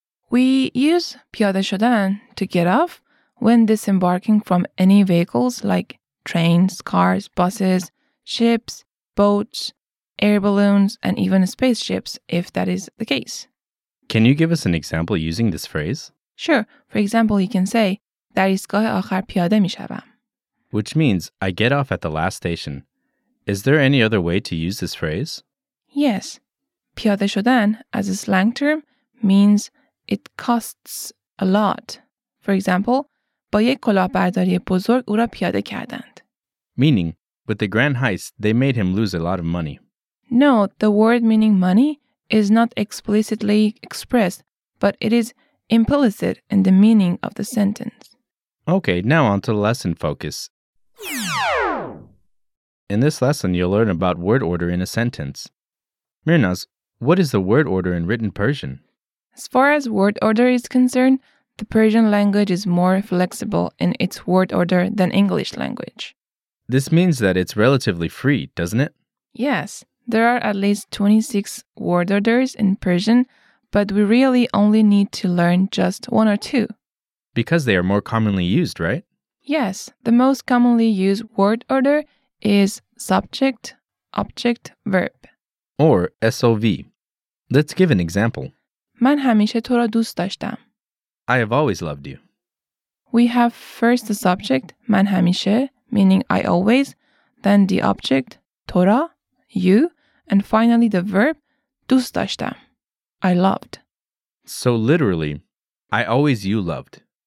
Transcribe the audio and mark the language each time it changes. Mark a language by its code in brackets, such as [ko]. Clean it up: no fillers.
[en] We use 피아데 쇼단 to get off when disembarking from any vehicles like trains, cars, buses, ships, boats, air balloons, and even spaceships, if that is the case. Can you give us an example using this phrase? Sure. For example, you can say, [fa] در ایستگاه آخر پیاده می شوم. [en] Which means, I get off at the last station. Is there any other way to use this phrase? Yes. پیاده شدن, as a slang term, means it costs a lot. For example, [fa] با یک کلاهبرداری بزرگ او را پیاده کردند. [en] Meaning, with the grand heist, they made him lose a lot of money. No, the word meaning money is not explicitly expressed, but it is implicit in the meaning of the sentence. Okay, now on to the lesson focus. In this lesson, you'll learn about word order in a sentence. Mirnaz, what is the word order in written Persian? As far as word order is concerned, the Persian language is more flexible in its word order than English language. This means that it's relatively free, doesn't it? Yes. There are at least 26 word orders in Persian, but we really only need to learn just one or two. Because they are more commonly used, right? Yes. The most commonly used word order is subject, object, verb. Or SOV. Let's give an example. [fa] من همیشه تو را دوست داشتم. [en] I have always loved you. We have first the subject, [fa] من همیشه, [en] meaning I always, then the object, [fa] تو را, [en] you, and finally the verb [fa] دوست داشتم, [en] I loved. So literally, I always you loved.